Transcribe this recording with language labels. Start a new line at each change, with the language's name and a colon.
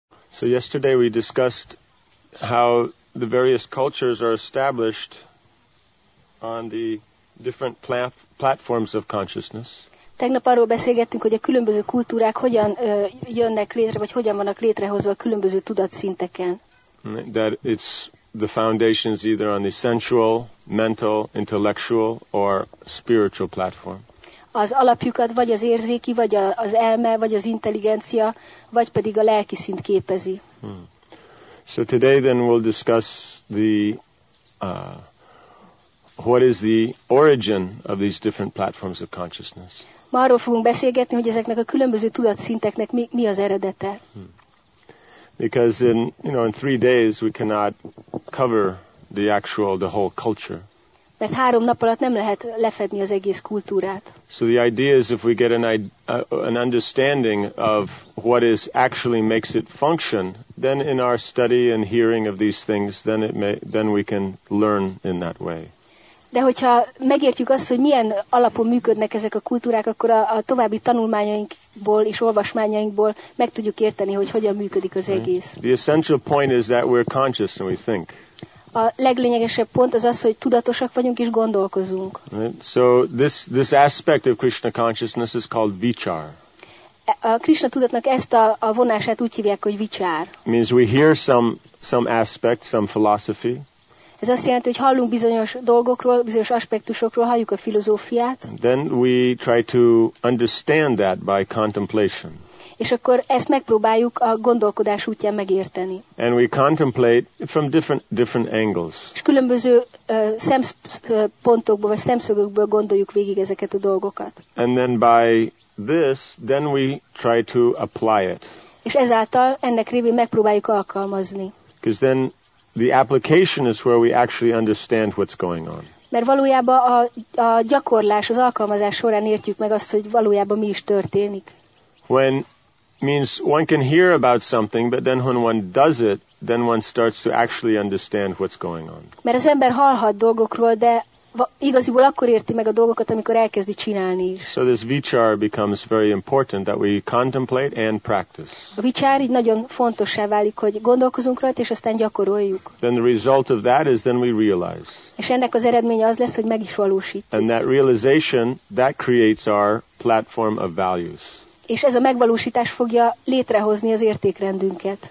English: So yesterday we discussed how the various cultures are established on the different platforms of consciousness.
Hungarian: Tegnap arról beszélgettünk, hogy a különböző kultúrák hogyan jönnek létre, vagy hogyan vannak létrehozva a különböző tudatszinteken.
English: That it's the foundations either on the sensual, mental, intellectual or spiritual platform.
Hungarian: Az alapjukat vagy az érzéki, vagy az elme, vagy az intelligencia, vagy pedig a lelki szint képezi.
English: So today then we'll discuss the what is the origin of these different platforms of consciousness.
Hungarian: Ma arról fogunk beszélgetni, hogy ezeknek a különböző tudatszinteknek mi az eredete.
English: Because in, you know, in 3 days we cannot cover the actual, the whole culture.
Hungarian: Mert 3 nap alatt nem lehet lefedni az egész kultúrát.
English: So the idea is if we get an understanding of what is actually makes it function, then in our study and hearing of these things, then we can learn in that way.
Hungarian: De hogyha megértjük azt, hogy milyen alapon működnek ezek a kultúrák, akkor a további tanulmányainkból és olvasmányainkból meg tudjuk érteni, hogy hogyan működik az egész.
English: The essential point is that we're conscious and we think.
Hungarian: A leglényegesebb pont az az, hogy tudatosak vagyunk és gondolkozunk.
English: Right? So this aspect of Krishna consciousness is called vichar.
Hungarian: A Krishna tudatnak ezt a vonását úgy hívják, hogy vichar.
English: Means we hear some aspect, some philosophy.
Hungarian: Ez azt jelenti, hogy hallunk bizonyos dolgokról, bizonyos aspektusokról, halljuk a filozófiát.
English: Then we try to understand that by contemplation.
Hungarian: És akkor ezt megpróbáljuk a gondolkodás útján megérteni.
English: And we contemplate from different angles.
Hungarian: És különböző szempontokból vagy szemszögökből gondoljuk végig ezeket a dolgokat.
English: And then by this, then we try to apply it.
Hungarian: És ezáltal ennek révén megpróbáljuk alkalmazni.
English: Because then the application is where we actually understand what's going on.
Hungarian: Mert valójában a gyakorlás, az alkalmazás során értjük meg azt, hogy valójában mi is történik.
English: When means one can hear about something, but then when one does it, then one starts to actually understand what's going on.
Hungarian: Mert az ember hallhat dolgokról, de igaziból akkor érti meg a dolgokat, amikor elkezdi csinálni is.
English: So this vichar becomes very important that we contemplate and practice.
Hungarian: A vichar így nagyon fontossá válik, hogy gondolkozunk rajta, és aztán gyakoroljuk.
English: Then the result of that is then we realize.
Hungarian: És ennek az eredménye az lesz, hogy meg is valósítjuk.
English: And that realization, that creates our platform of values.
Hungarian: És ez a megvalósítás fogja létrehozni az értékrendünket.